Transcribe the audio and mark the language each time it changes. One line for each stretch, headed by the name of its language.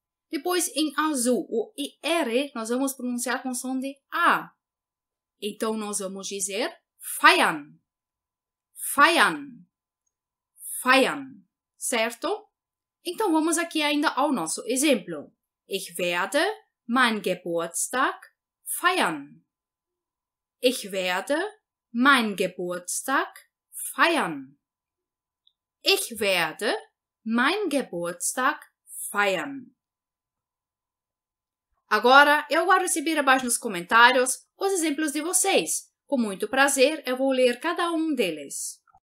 Portuguese: Depois, em azul, o IR, nós vamos pronunciar com som de A. Então, nós vamos dizer Feiern. Feiern. Feiern. Certo? Então, vamos aqui ainda ao nosso exemplo.
German: Ich werde mein Geburtstag feiern. Ich werde mein Geburtstag feiern. Ich werde mein Geburtstag feiern.
Portuguese: Agora, eu aguardo receber abaixo nos comentários os exemplos de vocês. Com muito prazer, eu vou ler cada um deles.